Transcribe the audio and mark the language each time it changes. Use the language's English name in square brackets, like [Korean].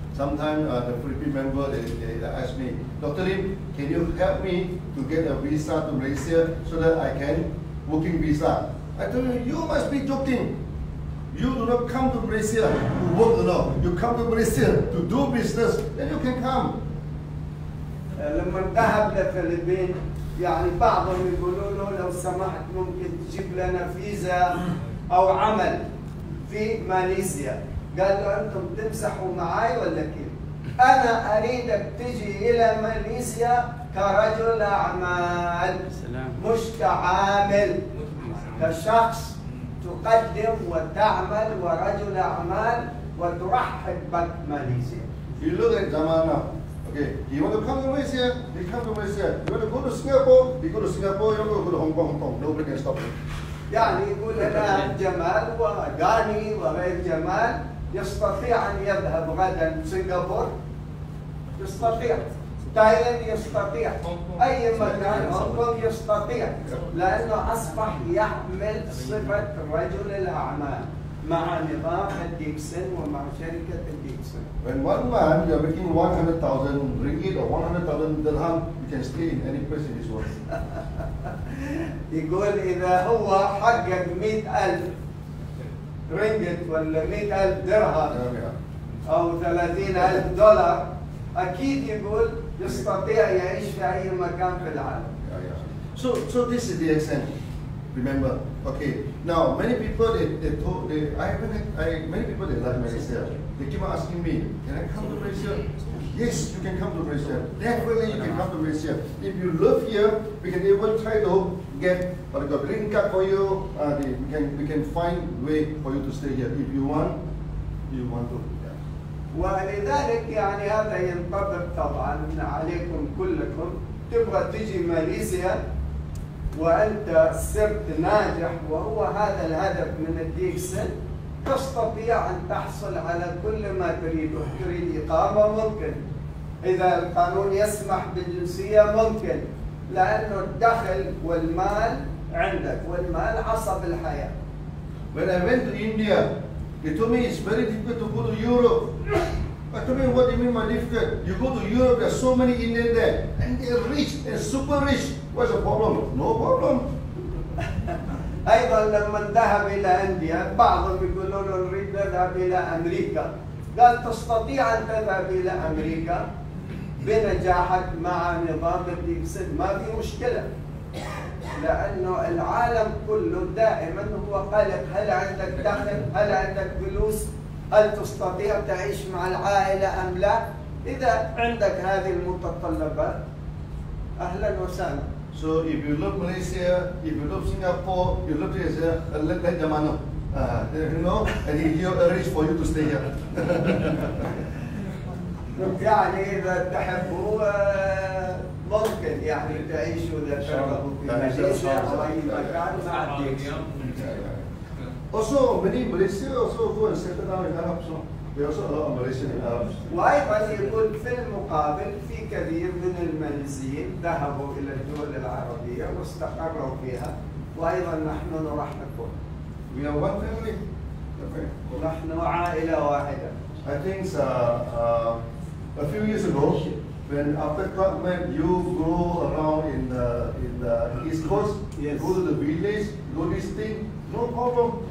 [English] Sometimes the Philippine member they ask me, Dr. Lim, can you help me to get a visa to Malaysia so that I can working visa? I told him, you must be joking. You do not come to Malaysia to work alone. You come to Malaysia to do business, then you can come. [Arabic] لما ذهب للفلبين يعني بعضهم يقولوا له لو سمحت ممكن تجيب لنا فيزا أو عمل في ماليزيا. قال له أنتم تمسحوا معي ولا كيف؟ أنا أريدك تجي إلى ماليزيا كرجل أعمال مش كعامل، كشخص تقدم وتعمل ورجل أعمال وترحب بك ماليزيا. [English] You look at Zaman now. Okay, he want to come to Malaysia, he come to Malaysia. You want to go to Singapore, he go to Singapore. You want to go to Hong Kong, Hong Kong. Nobody can stop him. [Arabic] يعني يقول أنا جمال وغاني وغير جمال يستطيع أن يذهب غدا سنغافورة يستطيع تايلاند يستطيع أي مكان هونغ يستطيع لأنه أصبح يحمل صفة رجل الأعمال مع نظام الديكسن ومع شركة الديكسن. [English] When one man you are making 100,000 ringgit or 100,000 dirham, you can stay in any place in this world. [Arabic] يقول إذا هو حقق 100,000 ringgit ولا 100,000 dirham أو 30,000 dollar أكيد يقول يستطيع يعيش في أي مكان في العالم. [English] So this is the accent. Remember, okay. Now many people they love Malaysia. They keep asking me, can I come to Malaysia? Yes, you can come to Malaysia. Definitely you can come to Malaysia. If you live here, we can even try to get a green card for you. We can find way for you to stay here. If you want, you want to. [Arabic] ولذلك يعني هذا ينطبق طبعا عليكم كلكم. تبغى تيجي ماليزيا وأنت صرت ناجح وهو هذا الهدف من الديكسن تستطيع أن تحصل على كل ما تريده. تريد إقامة ممكن، إذا القانون يسمح بالجنسية ممكن، لأنه الدخل والمال عندك والمال عصب الحياة. [English] When I went to India, they told me it's very difficult to go to Europe. I told me what do you mean by difficult? You go to Europe, there are so many Indians there, and they're rich and super rich. What's the problem? No problem. [Arabic] أيضا لما ذهب إلى إنديا بعضهم يقولون نريد نذهب إلى أمريكا. قال تستطيع أن تذهب إلى أمريكا بنجاحك مع نظام الديبسيد، ما في مشكلة، لأنه العالم كله دائما هو قلق، هل عندك دخل؟ هل عندك فلوس؟ هل تستطيع تعيش مع العائلة أم لا؟ إذا عندك هذه المتطلبات أهلا وسهلا. [English] So if you look Malaysia, if you look Singapore, you look Asia, look like Jamano. You know, and he arranged for you to stay here. [Arabic] يعني إذا تحبوا ممكن يعني تعيشوا إذا تحبوا في Malaysia أو أي مكان مع الديكس. [English] Also many Malaysia also go and settle down in Arab, so there also a lot of Malaysian in Arab. [Arabic] وأيضا يقول في المقابل في كثير من المنزلين ذهبوا إلى الدول العربية واستقروا فيها، وأيضا نحن نرحبكم. [English] We are one family. [Arabic] نحن عائلة واحدة. [English] I think a few years ago, when after Trump went, you go around in the East Coast, yes. Go to the village, do this thing, no problem.